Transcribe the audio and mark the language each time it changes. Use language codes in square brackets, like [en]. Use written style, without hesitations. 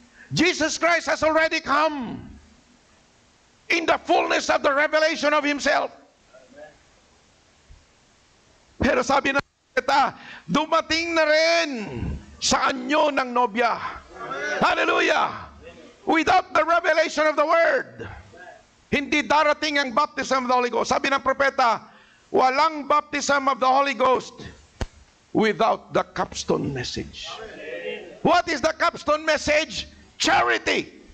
[en] Jesus Christ has already come in the fullness of the revelation of Himself. [tl] Pero sabi na kita, dumating na rin sa anyo ng nobya. Hallelujah! [en] Without the revelation of the Word, [tl] hindi darating ang [en] baptism of the Holy Ghost. [tl] Sabi ng propeta, walang [en] baptism of the Holy Ghost without the capstone message. What is the capstone message? Charity.